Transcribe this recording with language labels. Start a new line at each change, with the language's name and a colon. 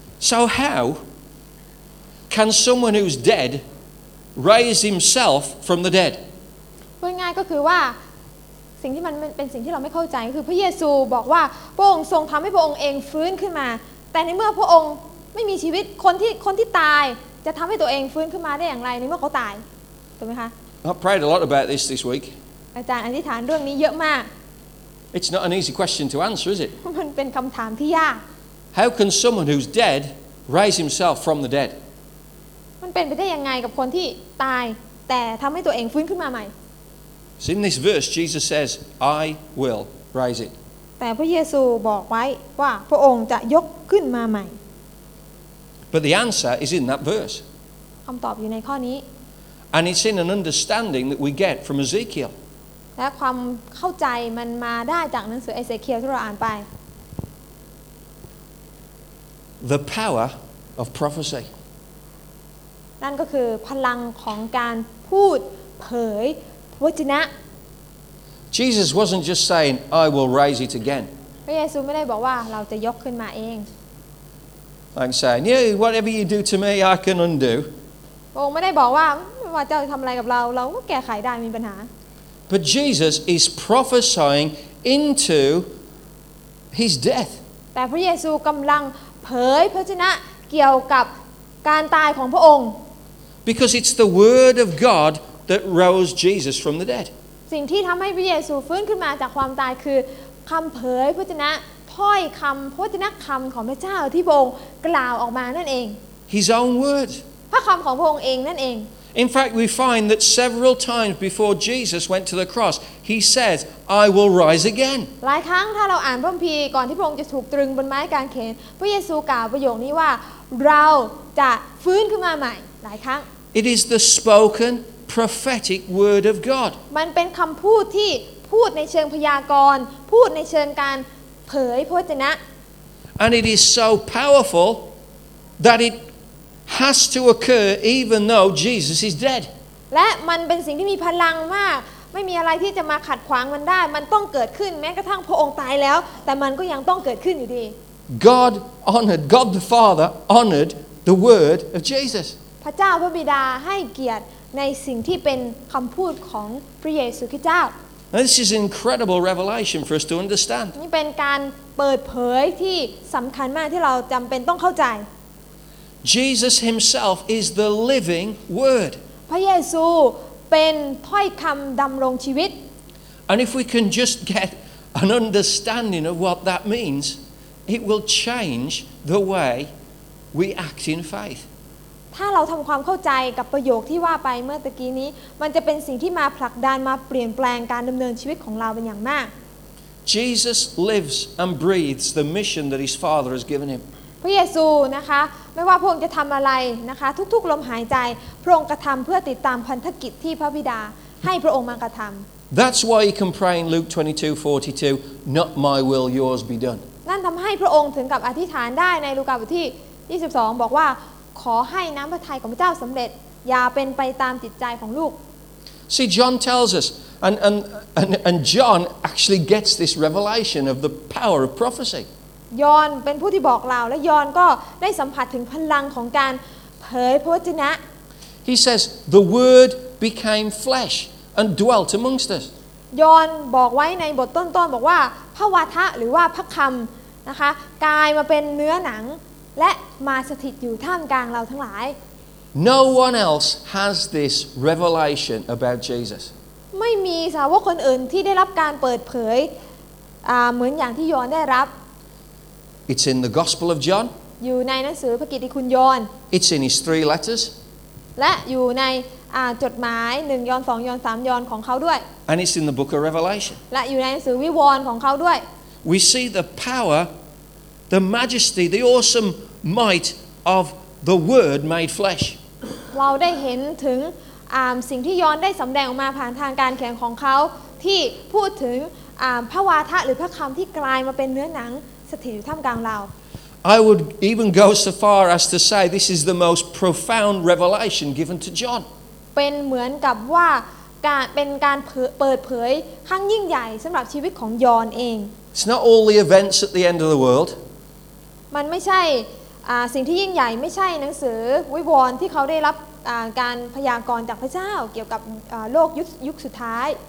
English: So how can someone who's dead raise himself from the dead?
Thai: พูดง่ายก็คือว่าสิ่งที่มันเป็นสิ่งที่เราไม่เข้าใจคือพระเยซูบอกว่าพระองค์ทรงทำให้พระองค์เองฟื้นขึ้นมาแต่ในเมื่อพระองค์ไม่มีชีวิตคนที่ตายจะทำให้ตัวเองฟื้นขึ้นมาได้อย่างไรในเมื่อเขาตายถูกไหมคะ
English: I prayed a lot about this week.
Thai: อาจารย์อธิษฐานเรื่องนี้เยอะมาก
English: It's not an easy question to answer, is it?
Thai: มันเป็นคำถามที่ยาก
English: How can someone who's dead raise himself from the dead?
Thai: มันเป็นไปได้ยังไงกับคนที่ตายแต่ทำให้ตัวเองฟื้นขึ้นมาใหม่
English: So in this verse Jesus says I will raise it.
Thai: แต่พระเยซูบอกไว้ว่าพระองค์จะยกขึ้นมาใหม่
English: But the answer is in that verse.
Thai: คำตอบอยู่ในข้อนี้
English: And it's in an understanding that we get from Ezekiel.
Thai: และความเข้าใจมันมาได้จากหนังสือเอเซเคียลที่เราอ่านไป
English: The power of prophecy.
Thai: นั่นก็คือพลังของการพูดเผยพระวจนะ
English: Jesus wasn't just saying, "I will raise it again."
Thai: พระเยซูไม่ได้บอกว่าเราจะยกขึ้นมาเอง
English: Like saying, "Yeah, whatever you do to me, I can undo."
Thai: องค์ไม่ได้บอกว่าไม่ว่าเจ้าจะทำอะไรกับเราเราก็แก้ไขได้ไม่มีปัญหา
English: But Jesus is prophesying into his death.
Thai: แต่พระเยซูกำลังเผยพระชนะเกี่ยวกับการตายของพระองค์
English: Because it's the word of God that rose Jesus from the dead.
Thai: สิ่งที่ทำให้พระเยซูฟื้นขึ้นมาจากความตายคือคำเผยพระชนะถ้อยคำพระชนะคำของพระเจ้าที่พระองค์กล่าวออกมานั่นเอง
English: His own words.
Thai: พระคำของพระองค์เองนั่นเอง
English: In fact, we find that several times before Jesus went to the cross, he says, "I will rise again."
Thai: หลายครั้งถ้าเราอ่านพระคัมภีร์ก่อนที่พระองค์จะถูกตรึงบนไม้กางเขนพระเยซูกล่าวประโยคนี้ว่าเราจะฟื้นขึ้นมาใหม่หลายครั้ง
English: It is the spoken prophetic word of God.
Thai: มันเป็นคำพูดที่พูดในเชิงพยากรณ์พูดในเชิงการเผยพระวจนะ
English: And it is so powerful that itHas to occur even though Jesus is dead.
Thai: และมันเป็นสิ่งที่มีพลังมากไม่มีอะไรที่จะมาขัดขวางมันได้มันต้องเกิดขึ้นแม้กระทั่งพระองค์ตายแล้วแต่มันก็ยังต้องเกิดขึ้นอยู่ดี
English: God honored God the Father honored the word of Jesus.
Thai: พระเจ้าพระบิดาให้เกียรติในสิ่งที่เป็นคำพูดของพระเยซูคริสต์เจ้า
English: This is incredible revelation for us to understand.
Thai: นี่เป็นการเปิดเผยที่สำคัญมากที่เราจำเป็นต้องเข้าใจ
English: Jesus himself is the living word.
Thai: พระเยซูเป็นถ้อยคำดำรงชีวิต
English: And if we can just get an understanding of what that means, it will change the way we act in faith.
Thai: ถ้าเราทำความเข้าใจกับประโยคที่ว่าไปเมื่อตะกี้นี้มันจะเป็นสิ่งที่มาผลักดันมาเปลี่ยนแปลงการดำเนินชีวิตของเราเป็นอย่างมาก
English: Jesus lives and breathes the mission that his Father has given him.
Thai: พระเยซูนะคะไม่ว่าพระองค์จะทำอะไรนะคะทุกๆลมหายใจพระองค์กระทำเพื่อติดตามพันธกิจที่พระบิดาให้พระองค์มากระทำ
English: That's why he can pray in Luke 22:42 Not my will, yours be done
Thai: นั่นทำให้พระองค์ถึงกับอธิษฐานได้ในลูกาบทที่22บอกว่าขอให้น้ำพระทัยของพระเจ้าสำเร็จอย่าเป็นไปตามจิตใจของลูก
English: See John tells us and John actually gets this revelation of the power of prophecy
Thai: ยอนเป็นผู้ที่บอกเราและยอนก็ได้สัมผัสถึงพลังของการเผยพระวจนะ
English: He says the word became flesh and dwelt amongst us
Thai: ยอนบอกไว้ในบทต้นๆบอกว่าพระวาทะหรือว่าพระคำนะคะกลายมาเป็นเนื้อหนังและมาสถิตอยู่ท่ามกลางเราทั้งหลาย
English: No one else has this revelation about Jesus
Thai: ไม่มีสาวกคนอื่นที่ได้รับการเปิดเผยเหมือนอย่างที่ยอห์นได้รับ
English: It's in the Gospel of John
Thai: อยู่ในหนังสือพระกิตติคุณยอห์น
English: It's in his three letters
Thai: และอยู่ในจดหมาย1ยอห์น2ยอห์น3ยอห์นของเขาด้วย
English: And it's in the Book of Revelation
Thai: และอยู่ในหนังสือวิวรณ์ของเขาด้วย
English: We see the power the majesty the awesome might of the word made flesh
Thai: เราได้เห็นถึงสิ่งที่ยอห์นได้สําแดงออกมาผ่านทางการเขียนของเขาที่พูดถึงพระวาทะหรือพระคำที่กลายมาเป็นเนื้อหนังสถิตอยู่ท่ามกลางเรา
English: I would even go so far as to say this is the most profound revelation given to John
Thai: เป็นเหมือนกับว่าการเป็นการเปิดเผยครั้งยิ่งใหญ่สําหรับชีวิตของยอห์นเอง
English: It's not all the events at the end of the world
Thai: มันไม่ใช่สิ่งที่ยิ่งใหญ่ไม่ใช่หนังสือวิวรณ์ที่เขาได้รับการพยากรณ์จากพระเจ้าเกี่ยวกับโลกยุคสุดท้าย